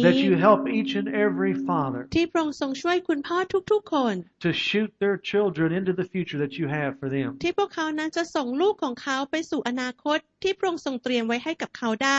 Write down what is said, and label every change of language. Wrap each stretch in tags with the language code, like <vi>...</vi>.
<en>That you help each and every father</en> <th>ที่พระองค์ทรงช่วยคุณพ่อทุกๆคน</th> <en>To shoot their children into the future that you have for them</en> <th>ที่พวกเขานั้นจะส่งลูกของเขาไปสู่อนาคตที่พระองค์ทรงเตรียมไว้ให้กับเขาได</th>